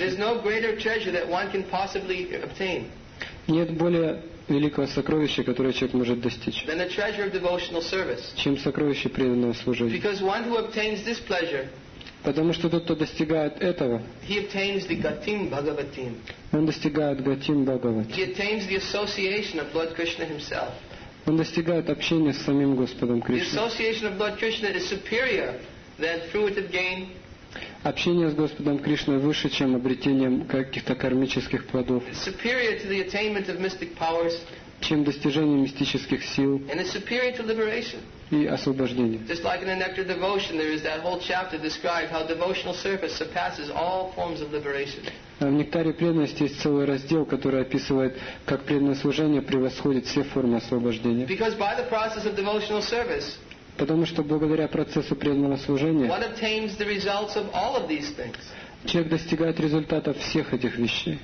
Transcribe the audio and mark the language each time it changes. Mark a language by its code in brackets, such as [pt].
[en] There's no greater treasure that one can possibly obtain. [ru] Нет более великого сокровища, которое человек может достичь, [en] than the treasure of devotional service. [ru] Чем сокровище преданного служения. [en] Because one who obtains this pleasure, [ru] потому что тот, кто достигает этого, [en] he obtains the gatim bhagavatim. [ru] Он достигает гатим бхагаватим. [en] He attains the association of Lord Krishna himself. [ru] Он достигает общения с самим Господом Кришной. [en] The association of Lord Krishna is superior than fruitive gain. [ru] Общение с Господом Кришной выше, чем обретением каких-то кармических плодов. [en] It's superior to the attainment of mystic powers. [ru] Чем достижение мистических сил. [en] And it's superior to liberation. [ru] И освобождение. [en] Just like in the Nectar Devotion, there is that whole chapter described how devotional service surpasses all forms of liberation. [ru] В Нектаре преданности есть целый раздел, который описывает, как преданное служение превосходит все формы освобождения. [en] Because by the process of devotional service, [ru] потому что благодаря процессу преданного служения, [en] one obtains the results of all of these things. [ru] Человек достигает результатов всех этих вещей.